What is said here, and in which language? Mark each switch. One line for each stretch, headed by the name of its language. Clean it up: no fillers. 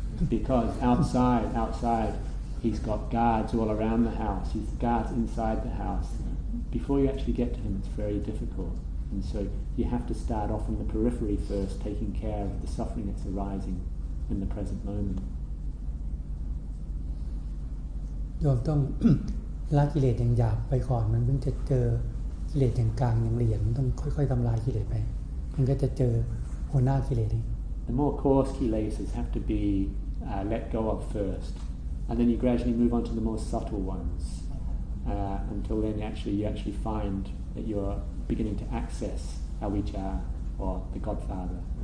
English: Because outside, he's got guards all around the house. He's guards inside the house. before you actually get to him, it's very difficult. And so you have to start off in the periphery first, taking care of the suffering that's arising in the present moment.
Thai: โยมต้องละกิเลสอย่างหยาบไปก่อนมันถึงจะเจอกิเลสอย่างกลางอย่างละเอียดมันต้องค่อยๆทำลายกิเลสไปมันก็จะเจอหัวหน้ากิเลสเอง
English: The more coarse kilesas have to be let go of first, and then you gradually move on to the more subtle ones until then you actually find that you're beginning to access avijja or the Godfather.